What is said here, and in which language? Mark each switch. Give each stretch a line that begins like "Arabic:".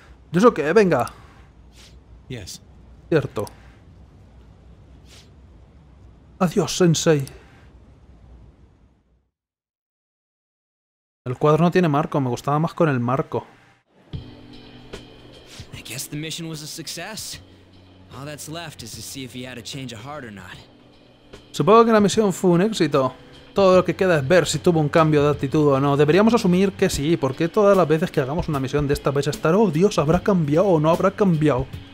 Spanish: Yusuke, venga. Cierto. Adiós, Sensei. El cuadro no tiene marco, me gustaba más con el marco.
English: I guess the mission was a success. All that's left is to see if he had a change of heart or not.
Spanish: Supongo que la misión fue un éxito. Todo lo que queda es ver si tuvo un cambio de actitud o no. Deberíamos asumir que sí, porque todas las veces que hagamos una misión de esta vais a estar, oh Dios, habrá cambiado o no habrá cambiado.